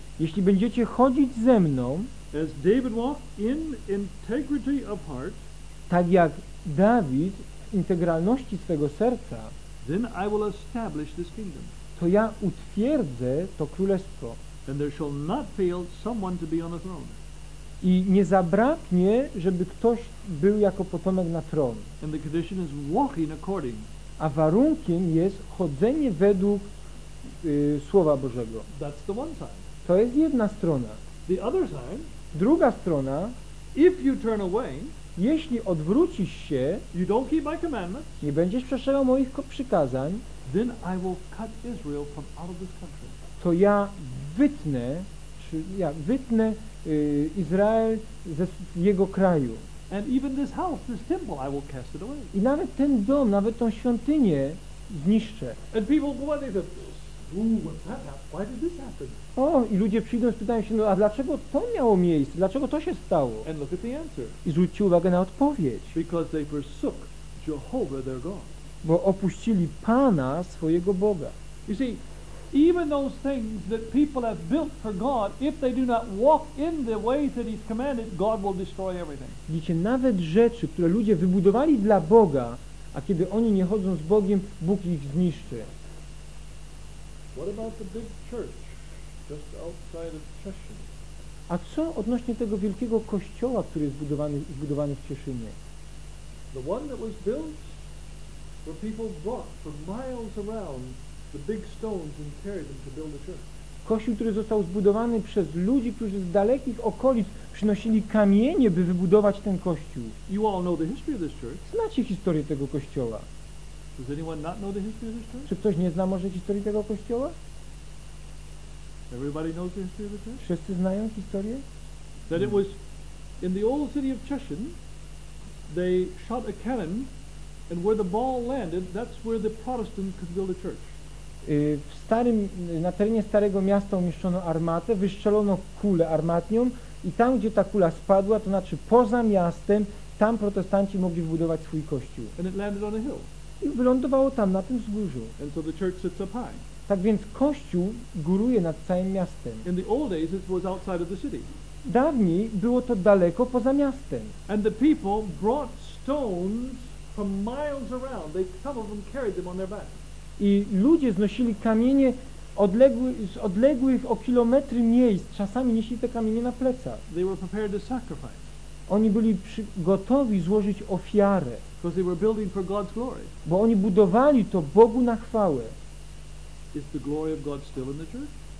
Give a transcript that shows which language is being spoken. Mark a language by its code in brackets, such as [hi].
[pl] jeśli będziecie chodzić ze mną, [en] as David walked in integrity of heart, [pl] tak jak Dawid w integralności swego serca, [en] then I will establish this kingdom. [pl] To ja utwierdzę to królestwo. [en] And there shall not fail someone to be on the throne. [pl] I nie zabraknie, żeby ktoś był jako potomek na tron. [en] And the condition is walking according. [pl] A warunkiem jest chodzenie według Słowa Bożego. [en] That's the one side. [pl] To jest jedna strona. [en] The other side, [pl] druga strona, [en] if you turn away, [pl] jeśli odwrócisz się, [en] you don't keep my commandments, [pl] nie będziesz przestrzegał moich przykazań, [en] then I will cut Israel from out of this country. [pl] To ja wytnę, czy ja wytnę Izrael ze jego kraju. [en] And even this house, this temple, I will cast it away. [pl] I nawet ten dom, nawet tą świątynię zniszczę. [en] And people go and they say, what's that? Why did this happen? [pl] O, i ludzie przyjdą i pytają się, no a dlaczego to miało miejsce? Dlaczego to się stało? [en] And look at the answer. [pl] I zwróćcie uwagę na odpowiedź. [en] Because they forsook Jehovah their God. [pl] Bo opuścili Pana, swojego Boga. [en] You see, even those things that people have built for God, if they do not walk in the ways that He's commanded, God will destroy everything. [pl] Widzicie, nawet rzeczy, które ludzie wybudowali dla Boga, a kiedy oni nie chodzą z Bogiem, Bóg ich zniszczy. [en] What about the big church just outside of Cheshire? [pl] A co odnośnie tego wielkiego kościoła, który jest zbudowany w Cieszynie? [en] The one that was built, where people brought for miles around the big stones and carried them to build the church. [pl] Kościół, który został zbudowany przez ludzi, którzy z dalekich okolic przynosili kamienie, by wybudować ten kościół. [en] You all know the history of this church. [pl] Znacie historię tego kościoła. [en] Does anyone not know the history of this church? [pl] Czy ktoś nie zna może historii tego kościoła? [en] Everybody knows the history of the church? [pl] Wszyscy znają historię? [en] That it was in the old city of Cheshire, they shot a cannon. And where the ball landed, that's where the Protestant could build a church. [pl] W starym, na terenie starego miasta umieszczono armatę, wystrzelono kulę armatnią i tam, gdzie ta kula spadła, to znaczy poza miastem, tam protestanci mogli wybudować swój kościół. [en] And it landed on a hill. [pl] I wylądowało tam, na tym wzgórzu. [en] And so the church sits up high. [pl] Tak więc kościół góruje nad całym miastem. [en] In the old days, it was outside of the city. [pl] Dawniej było to daleko poza miastem. [en] And the people brought stones from miles around, they covered them, carried them on their back. [pl] I ludzie znosili kamienie z odległych o kilometry miejsc, czasami nieśli te kamienie na plecach. [en] They were prepared to sacrifice. [pl] Oni byli gotowi złożyć ofiarę. [en] Because they were building for God's glory. [pl] Bo oni budowali to Bogu na chwałę. [en] Is the glory of God still in the church?